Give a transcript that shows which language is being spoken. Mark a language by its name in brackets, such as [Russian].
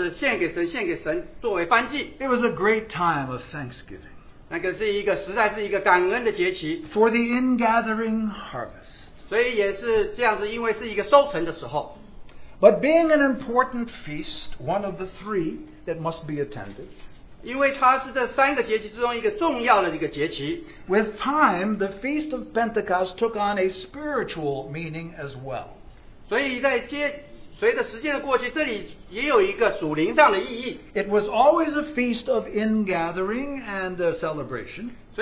[Chinese] 他们就把公羊、羊羔、牛犊这样子献给神作为燔祭。 [English] It was a great time of thanksgiving. [Chinese] 那个是一个实在是一个感恩的节期, [English] for the ingathering harvest. [Chinese] 所以也是这样子因为是一个收成的时候。 [English] But being an important feast, one of the three that must be attended, [Chinese] 因为它是这三个节期之中一个重要的一个节期, [English] with time, the Feast of Pentecost took on a spiritual meaning as well. [Chinese] 随着时间的过去,这里也有一个属灵上的意义。 [English] It was always a feast of ingathering and a celebration.